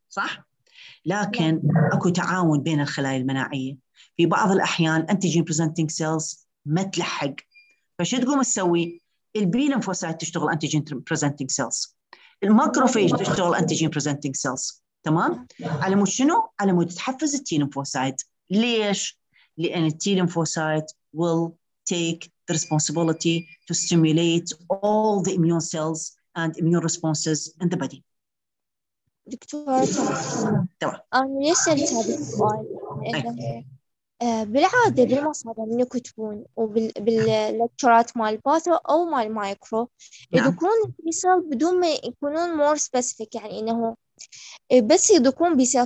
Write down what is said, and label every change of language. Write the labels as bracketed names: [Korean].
[Arabic] صح، لكن اكو تعاون بين الخلايا المناعيه، في بعض الاحيان انتيجين بريزنتنج سيلز ما تلحق، فشو تقوم تسوي؟ البي لمفوسايت تشتغل انتيجين بريزنتنج سيلز، الماكروفاج تشتغل انتيجين بريزنتنج سيلز. تمام، على مود شنو؟ على مود تحفز التي لمفوسايت. ليش؟ لان [English] التي lymphocyte will take the responsibility to stimulate all the immune cells and immune responses in the body. [Arabic] دكتور تمام، انا سألت هذا السؤال انه بالعاده بالمصادر اللي يكتبون وباللكتشرات مال باثو او مال مايكرو يكون بيسال بدون ما يكونون [English] more specific, [Arabic] يعني انه بس يكون بيسال.